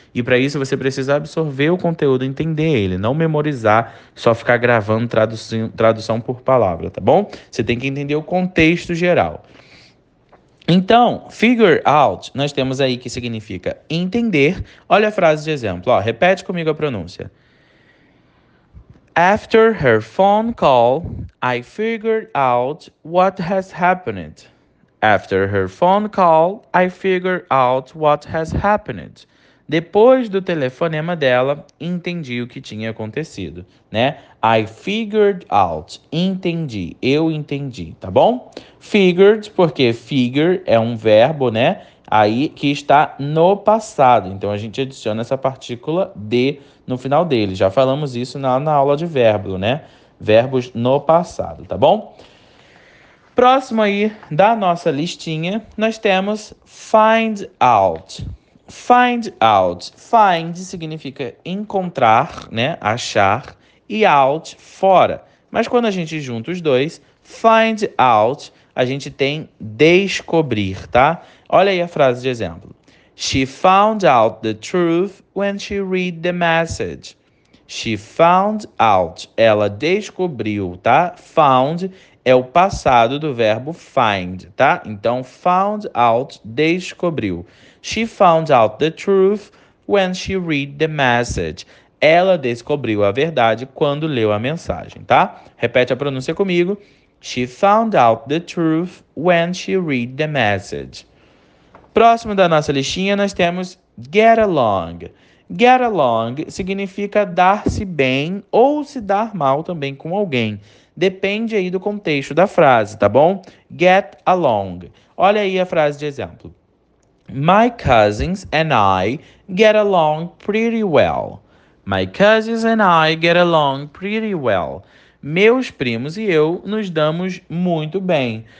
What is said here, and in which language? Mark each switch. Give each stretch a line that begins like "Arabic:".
Portuguese: E para isso você precisa absorver o conteúdo, entender ele, não memorizar, só ficar gravando tradução por palavra, tá bom? Você tem que entender o contexto geral. Então, figure out, nós temos aí que significa entender. Olha a frase de exemplo, ó, repete comigo a pronúncia.
English: After her phone call, I figured out what has happened. After her phone call, I figured out what has happened.
Portuguese: Depois do telefonema dela, entendi o que tinha acontecido, né?
English: I figured out.
Portuguese: Entendi. Eu entendi, tá bom? Figured, porque figure é um verbo, né? Aí que está no passado. Então, a gente adiciona essa partícula de no final dele. Já falamos isso na aula de verbo, né? Verbos no passado, tá bom? Próximo aí da nossa listinha, nós temos find out. Find out. Find significa encontrar, né? Achar. E out, fora. Mas quando a gente junta os dois, find out, a gente tem descobrir, tá? Olha aí a frase de exemplo.
English: She found out the truth when she read the message. She found out.
Portuguese: Ela descobriu, tá? Found é o passado do verbo find, tá? Então, found out, descobriu.
English: She found out the truth when she read the message.
Portuguese: Ela descobriu a verdade quando leu a mensagem, tá? Repete a pronúncia comigo.
English: She found out the truth when she read the message.
Portuguese: Próximo da nossa listinha, nós temos get along. Get along significa dar-se bem ou se dar mal também com alguém. Depende aí do contexto da frase, tá bom? Get along. Olha aí a frase de exemplo.
English: My cousins and I get along pretty well. My cousins and I get along pretty well.
Portuguese: Meus primos e eu nos damos muito bem.